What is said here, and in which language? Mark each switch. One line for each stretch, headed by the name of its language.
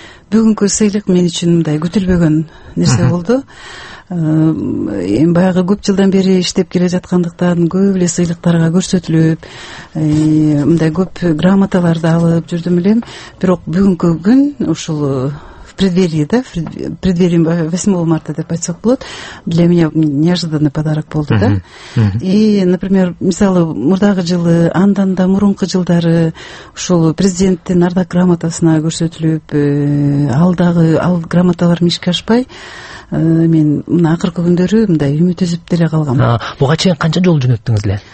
Kyrgyz: Бүгүнкү сыйлык мен үчүн мындай күтүлбөгөн нерсе болду. Эми баягы көп жылдан бери иштеп келе жаткандыктан көп эле сыйлыктарга көрсөтүлүп мындай көп грамоталарды алып жүрдүм элем, бирок бүгүнкү күн ушул
Russian: преддверии, да, преддверием 8 марта,
Kyrgyz: деп айтсак болот,
Russian: для меня неожиданный подарок болду, да. И, например,
Kyrgyz: мисалы, мурдагы жылы, андан да мурунку жылдары, ушул президенттин ардак грамотасына көрсөтүлүп, алдагы ал грамоталар мишке ашпай, мен мына акыркы күндөрү мындай үмүт үзүп деле калгам. Буга чейин канча жол жөнөттүңүз эле?